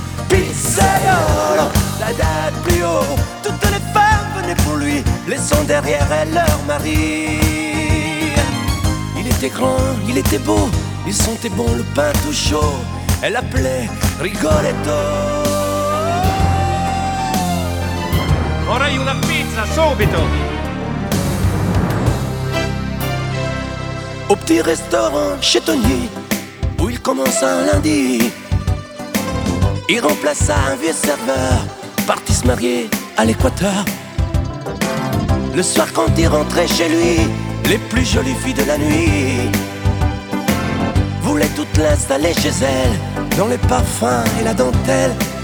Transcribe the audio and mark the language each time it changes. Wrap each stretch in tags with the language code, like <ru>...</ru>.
<fr>Pizzaiolo,</fr> <it>dai dai</it> <fr>plus haut, toutes les femmes venaient pour lui, laissant derrière elles leur mari. Il était grand, il était beau, il sentait bon le pain tout chaud, elle appelait Rigoletto.</fr> <it>Vorrei una pizza subito!</it> <fr>Au petit restaurant chez Tony, où il commença un lundi, il remplaça un vieux serveur, parti se marier à l'équateur. Le soir quand il rentrait chez lui, les plus jolies filles de la nuit voulaient toutes l'installer chez elles, dans les parfums et la dentelle.</fr>